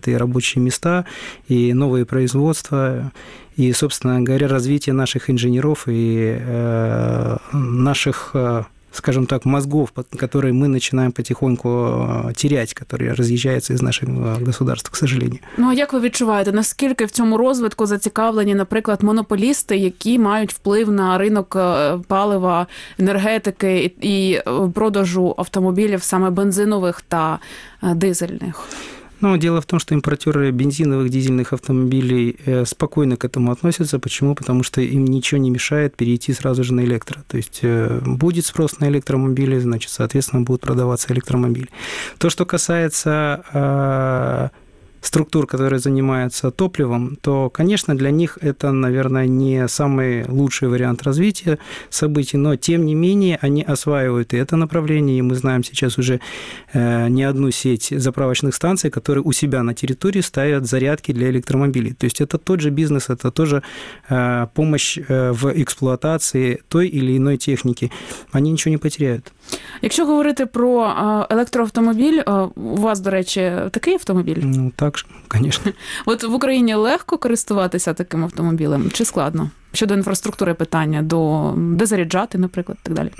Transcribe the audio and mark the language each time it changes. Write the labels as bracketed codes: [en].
[ru] Это и рабочие места, и новые производства, и, собственно говоря, развитие наших инженеров и наших, скажем так, мозгов, которые мы начинаем потихоньку терять, которые разъезжаются из нашего государства, к сожалению. [uk] Ну, а як ви відчуваєте, наскільки в цьому розвитку зацікавлені, наприклад, монополісти, які мають вплив на ринок палива, енергетики і продажу автомобілів саме бензинових та дизельних? [ru] Ну, дело в том, что импортеры бензиновых, дизельных автомобилей спокойно к этому относятся. Почему? Потому что им ничего не мешает перейти сразу же на электро. То есть будет спрос на электромобили, значит, соответственно, будут продаваться электромобили. То, что касается структур, которые занимаются топливом, то, конечно, для них это, наверное, не самый лучший вариант развития событий, но, тем не менее, они осваивают и это направление, и мы знаем сейчас уже не одну сеть заправочных станций, которые у себя на территории ставят зарядки для электромобилей. То есть это тот же бизнес, это тоже помощь в эксплуатации той или иной техники. Они ничего не потеряют. [uk] Якщо говорити про електроавтомобіль, у вас, до речі, такий автомобіль? Ну, так, звісно. От в Україні легко користуватися таким автомобілем чи складно? Щодо інфраструктури питання, до де заряджати, наприклад, і так далі.